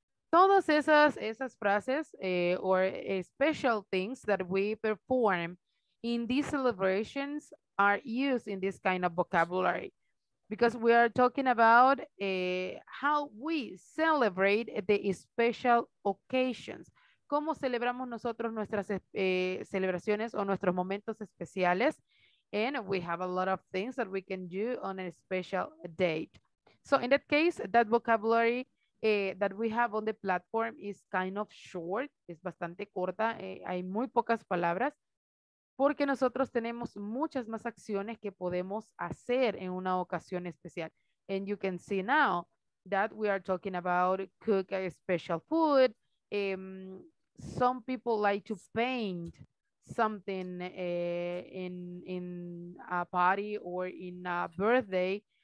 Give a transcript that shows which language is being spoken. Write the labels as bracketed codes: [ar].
[es] Todas esas frases [en] special things that we perform in these celebrations are used in this kind of vocabulary. Because we are talking about how we celebrate the special occasions. [es] ¿Cómo celebramos nosotros nuestras celebraciones o nuestros momentos especiales? [en] And we have a lot of things that we can do on a special date. So in that case, that vocabulary that we have on the platform is kind of short. [es] Es bastante corta. Hay muy pocas palabras. Porque nosotros tenemos muchas más acciones que podemos hacer en una ocasión especial. [en] And you can see now that we are talking about cook a special food. Some people like to paint something in a party or in a birthday.